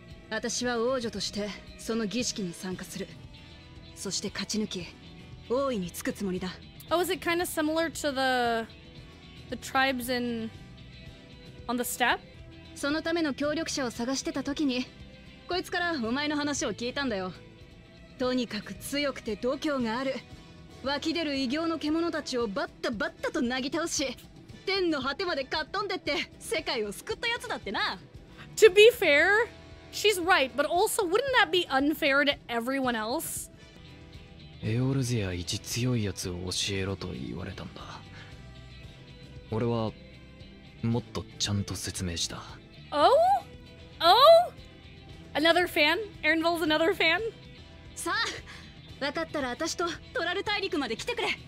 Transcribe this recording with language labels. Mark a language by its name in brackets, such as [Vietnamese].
[Japanese] 私は王女としてその儀式に参加する。そして勝ち抜き、王位につくつもりだ。 [English] Oh, is it kind of similar to the tribes in on the steppe? [Japanese] そのための協力者を探してた時に、こいつからお前の話を聞いたんだよ。とにかく強くて度胸がある。湧き出る異形の獣たちをバッタバッタと薙ぎ倒し、天の果てまでかっ飛んでって世界を救ったやつだってな。 [English] To be fair, she's right, but also wouldn't that be unfair to everyone else? [Japanese] エオルゼア一強いやつを教えろと言われたんだ。俺はもっとちゃんと説明した。 [English] Oh? Oh? Another fan? Erinvol's another fan? [Japanese] さあ、わかったら私とトラル大陸まで来てくれ。